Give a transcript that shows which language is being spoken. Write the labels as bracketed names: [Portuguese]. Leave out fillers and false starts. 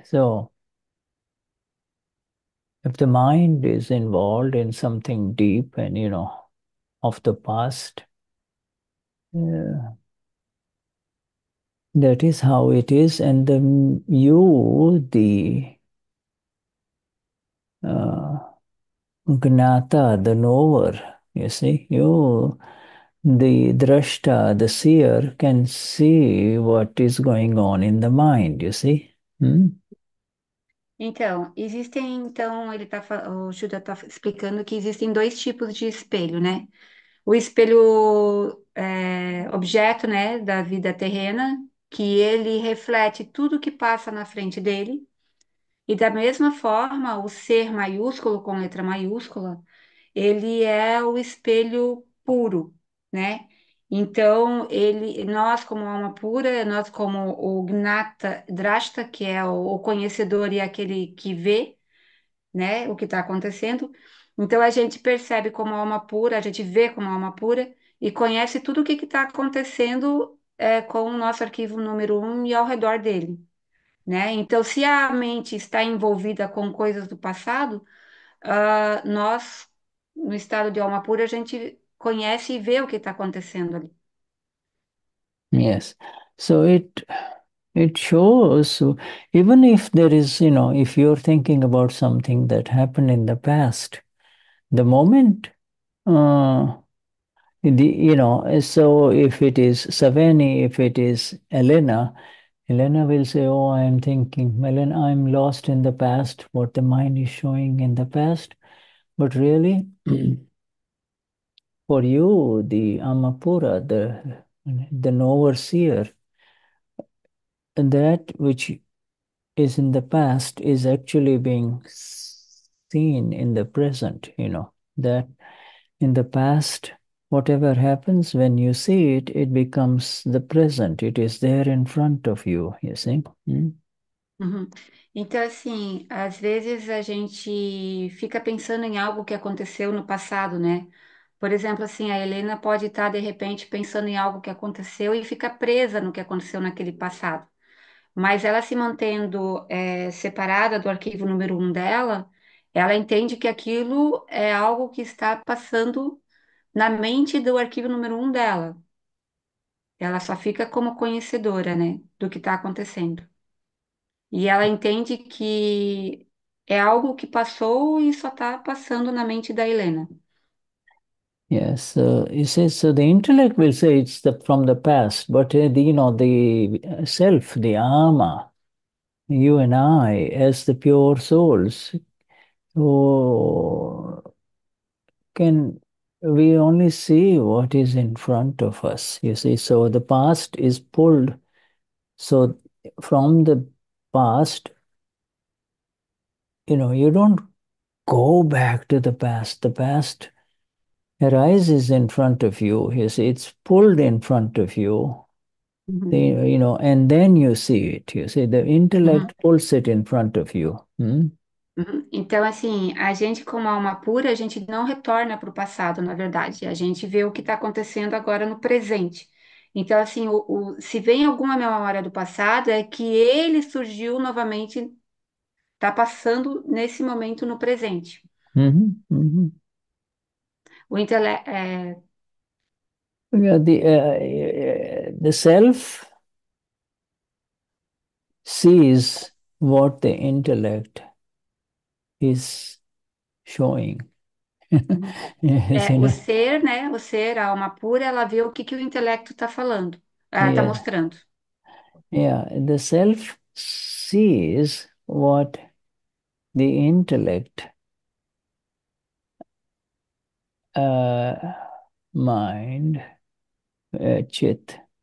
[English] So if the mind is involved in something deep and of the past, that is how it is, and then you, the gnata, the knower, you see, you, the drashta, the seer, can see what is going on in the mind, you see. [Portuguese] Então, existem, então, ele tá, o Judah está explicando que existem dois tipos de espelho, né? O espelho objeto, né, da vida terrena, que ele reflete tudo que passa na frente dele. E da mesma forma, o ser maiúsculo, com letra maiúscula, ele é o espelho puro, né? Então, nós como alma pura, nós como o Gnata Drashta, que é o conhecedor e aquele que vê, né, o que está acontecendo. Então, a gente percebe como alma pura, a gente vê como alma pura e conhece tudo o que está acontecendo com o nosso arquivo número 1 e ao redor dele, né? Então, se a mente está envolvida com coisas do passado, nós, no estado de alma pura, a gente conhece e vê o que está acontecendo ali. [English] Yes, so it shows, even if there is, if you're thinking about something that happened in the past, the moment, so if it is Saveni, if it is Elena, Elena will say, oh, I am thinking, Elena, I'm lost in the past, what the mind is showing in the past. But really, for you, the Amapura, the knower seer, that which is in the past is actually being seen in the present, that in the past, whatever happens, when you see it, it becomes the present. It is there in front of you, you see. [Portuguese] Então, assim, às vezes a gente fica pensando em algo que aconteceu no passado, né? Por exemplo, assim, a Helena pode estar, de repente, pensando em algo que aconteceu e fica presa no que aconteceu naquele passado. Mas ela se mantendo, separada do arquivo número 1 dela, ela entende que aquilo é algo que está passando na mente do arquivo número 1 dela. Ela só fica como conhecedora, né, do que está acontecendo. E ela entende que é algo que passou e só está passando na mente da Helena. [English] Yes, you see, so the intellect will say it's the from the past, but the self, the Ama, you and I, as the pure souls, oh, can we only see what is in front of us? You see, so the past is pulled. So from the past, you don't go back to the past. The past arises in front of you, you see, it's pulled in front of you, and then you see it, you see, the intellect pulls it in front of you. [Portuguese] Então, assim, a gente, como alma pura, a gente não retorna para o passado, na verdade. A gente vê o que está acontecendo agora no presente. Então, assim, se vem alguma memória do passado, é que ele surgiu novamente, está passando nesse momento no presente. O intelecto. [English] The self sees what the intellect is showing. Yes, [Portuguese] O ser, né? O ser, a alma pura, ela vê o que que o intelecto está falando, ela está mostrando. [English] The self sees what the intellect mind Chit